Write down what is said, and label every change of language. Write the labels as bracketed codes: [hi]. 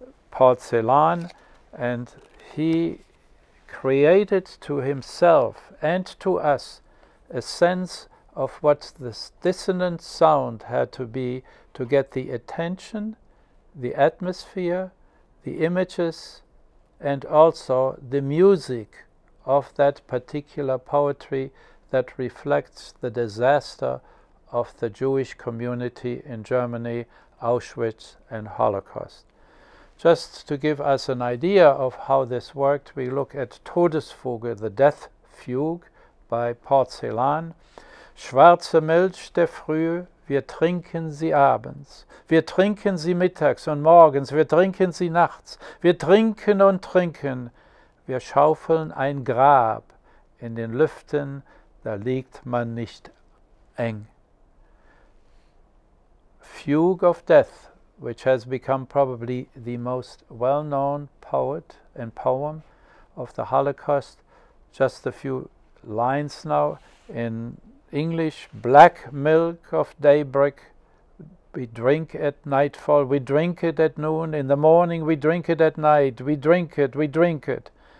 [en] Paul Celan, and he created to himself and to us a sense of what this dissonant sound had to be to get the attention, the atmosphere, the images, and also the music of that particular poetry that reflects the disaster of the Jewish community in Germany, Auschwitz and Holocaust. Just to give us an idea of how this worked, we look at Todesfuge, the Death Fugue by Paul Celan. [de] Schwarze Milch der Früh, wir trinken sie abends, wir trinken sie mittags und morgens, wir trinken sie nachts, wir trinken und trinken, wir schaufeln ein Grab in den Lüften, da liegt man nicht eng. [en] Fugue of Death, which has become probably the most well-known poet and poem of the Holocaust. Just a few lines now in English. Black milk of daybreak, we drink at nightfall, we drink it at noon, in the morning we drink it at night, we drink it, we drink it.